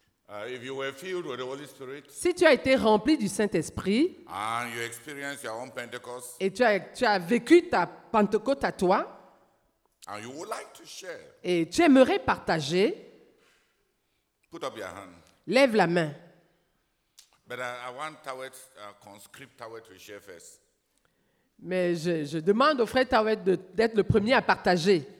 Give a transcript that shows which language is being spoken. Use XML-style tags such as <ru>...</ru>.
<en>If you were filled with the Holy Spirit,</en> <fr>si tu as été rempli du Saint-Esprit</fr> <en>and you experienced your own Pentecost,</en> <fr>et tu as vécu ta Pentecôte à toi</fr> <en>and you would like to share,</en> <fr>et tu aimerais partager,</fr> <en>put up your hand.</en> <fr>Lève la main.</fr> <en>But I want Tawet, conscript Tawet to share first.</en> <fr>Mais je demande au frère Tawet d'être le premier à partager.</fr>